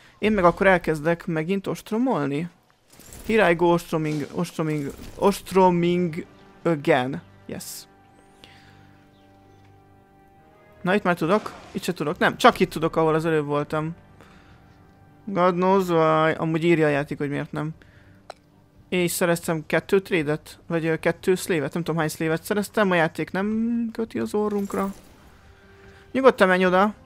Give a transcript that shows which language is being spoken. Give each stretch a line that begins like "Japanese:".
Hungarian: Én meg akkor elkezdek megint ostromolni.
English: Here I go ostroming again. Yes.
Hungarian: Na, itt már tudok. Itt se tudok. Nem, csak itt tudok, ahol az előbb voltam.
English: God knows why.
Hungarian: Amúgy írja a játék, hogy miért nem. És szereztem 2 trade-et. Vagy 2 slave-et. Nem tudom, hány slave-et szereztem. A játék nem köti az orrunkra. Nyugodtan menj oda.